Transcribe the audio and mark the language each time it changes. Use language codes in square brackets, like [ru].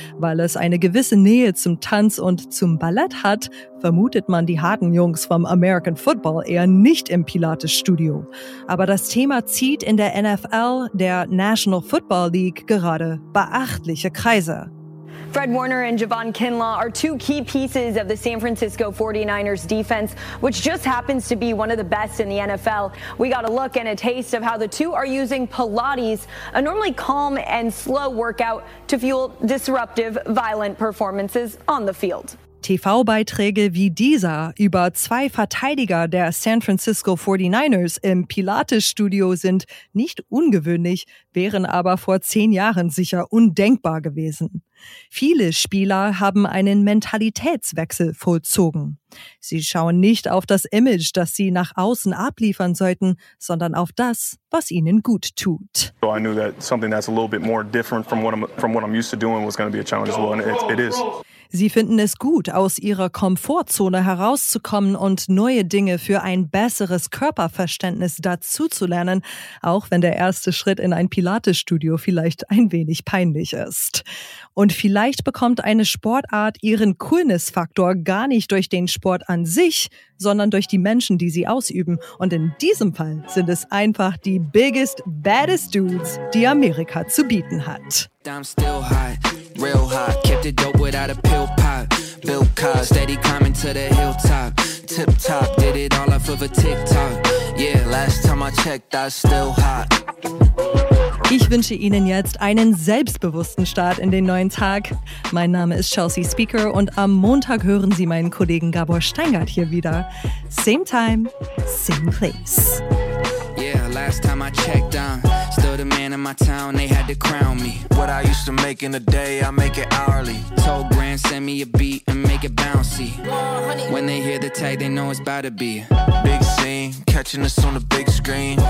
[de] Weil es eine gewisse Nähe zum Tanz und zum Ballett hat, vermutet man die harten Jungs vom American Football eher nicht im Pilates-Studio. Aber das Thema zieht in der NFL, der National Football League, gerade beachtliche Kreise. [en] Fred Warner and Javon Kinlaw are two key pieces of the San Francisco 49ers defense, which just happens to be one of the best in the NFL. We got a look and a taste of how the two are using Pilates, a normally calm and slow workout, to fuel disruptive, violent performances on the field. [de] TV-Beiträge wie dieser über zwei Verteidiger der San Francisco 49ers im Pilates-Studio sind nicht ungewöhnlich, wären aber vor 10 Jahren sicher undenkbar gewesen. Viele Spieler haben einen Mentalitätswechsel vollzogen. Sie schauen nicht auf das Image, das sie nach außen abliefern sollten, sondern auf das, was ihnen gut tut. [en] So I knew that something that's a little bit more different from what I'm used to doing was going to be a challenge as well, and it is. [de] Sie finden es gut, aus ihrer Komfortzone herauszukommen und neue Dinge für ein besseres Körperverständnis dazuzulernen, auch wenn der erste Schritt in ein Pilates-Studio vielleicht ein wenig peinlich ist. Und vielleicht bekommt eine Sportart ihren Coolness-Faktor gar nicht durch den Sport an sich, sondern durch die Menschen, die sie ausüben. Und in diesem Fall sind es einfach die [en] biggest, baddest Dudes, [de] die Amerika zu bieten hat. [en] I'm still high. Real hot, kept it dope without a pill pot. Built cars, steady climbing to the hilltop. Tip top, did it all off of a TikTok. Yeah, last time I checked, I still hot. [de] Ich wünsche Ihnen jetzt einen selbstbewussten Start in den neuen Tag. Mein Name ist Chelsea Speaker und am Montag hören Sie meinen Kollegen Gabor Steingart hier wieder. [en] Same time, same place. Yeah, last time I checked on. Still the man in my town, they had to crown me. What I used to make in a day, I make it hourly. Told Grand, send me a beat and make it bouncy. When they hear the tag, they know it's about to be big scene, catching us on the big screen.